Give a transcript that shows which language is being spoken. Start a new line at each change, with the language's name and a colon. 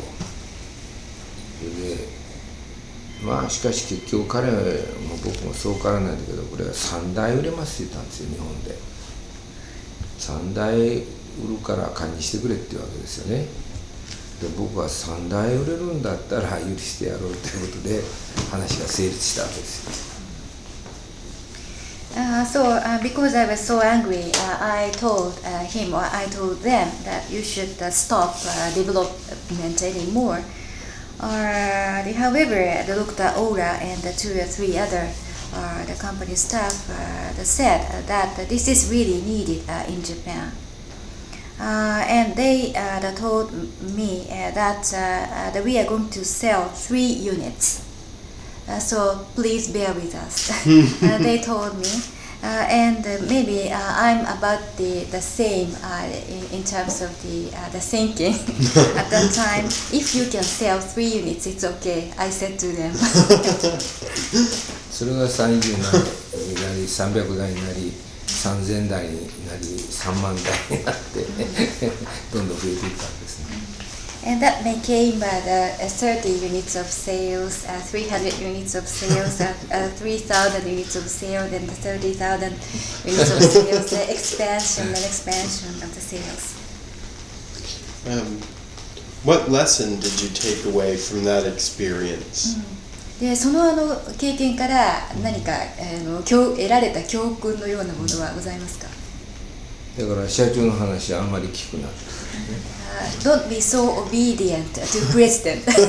Japanese: それでまあしかし結局彼も僕もそうからないんだけど、これは3台売れますって言ったんですよ。日本で3台売るから管理してくれっていうわけですよね。で僕は3台売れるんだったら許してやろうということで話が成立したわけですよ。
English: So, because I was so angry, I told him or I told them that you should stop development anymore. However, the Dr. Ola and the two or three other the company staff said that this is really needed in Japan. And they told me that we are going to sell 3 units. So please bear with us, they told me. Maybe I'm about the same in terms of the thinking at that time. If you can sell 3 units, it's okay, I said to them.
Japanese: それが30台になり、300台になり、3000台になり、3万台になって、どんどん増えていったんですね。
English: And that became by the 30 units of sales, 300 units of sales, 3,000 units of sales, and 30,000 units of sales, the expansion and expansion of the sales. What lesson did you take away from that experience?
Japanese: で、その経験から何か教得られた教訓のようなものはございますか？だから社長の話はあんまり聞くなって。
English: Don't be so obedient to president.